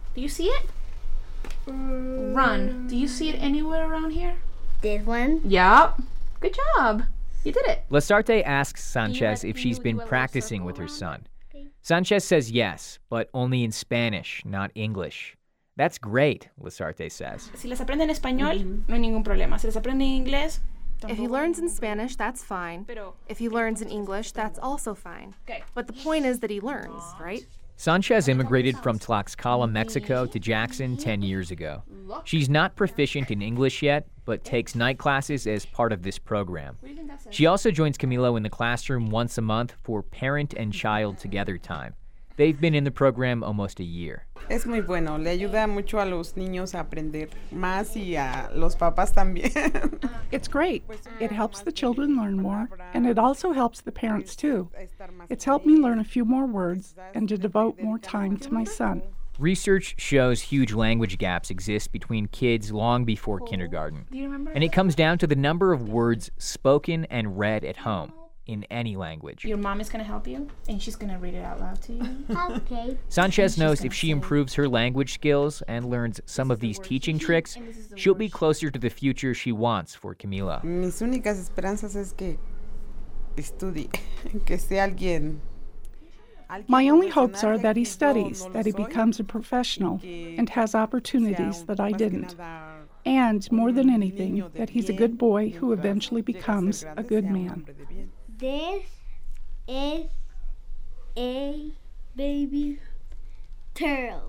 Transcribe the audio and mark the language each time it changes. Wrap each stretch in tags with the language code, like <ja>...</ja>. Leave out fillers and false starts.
<en>Do you see it? Run. Do you see it anywhere around here? This one? Yep. Good job. You did it. Lasarte asks Sanchez if she's been practicing with her son. Sanchez says yes, but only in Spanish, not English. That's great, Lasarte says.</en> <es>Si las aprende en español, no hay ningún problema. Si las aprende en inglés,</es> <en>if he learns in Spanish, that's fine. If he learns in English, that's also fine. But the point is that he learns, right? Sanchez immigrated from Tlaxcala, Mexico to Jackson 10 years ago. She's not proficient in English yet, but takes night classes as part of this program. She also joins Camilo in the classroom once a month for parent and child together time. They've been in the program almost a year.</en> <es>Es muy bueno. Le ayuda mucho a los niños a aprender más y a los papás también.</es> <en>It's great. It helps the children learn more, and it also helps the parents, too. It's helped me learn a few more words and to devote more time to my son. Research shows huge language gaps exist between kids long before kindergarten. Do you remember? And it comes down to the number of words spoken and read at home. In any language. Your mom is going to help you, and she's going to read it out loud to you. Okay. Sanchez knows if she improves her language skills and learns some of these teaching tricks, she'll be closer to the future she wants for Camila.</en> <es>Mis únicas esperanzas es que estudie, que sea alguien.</es> <en>My only hopes are that he studies, that he becomes a professional, and has opportunities that I didn't. And more than anything, that he's a good boy who eventually becomes a good man. This is a baby turtle.</en>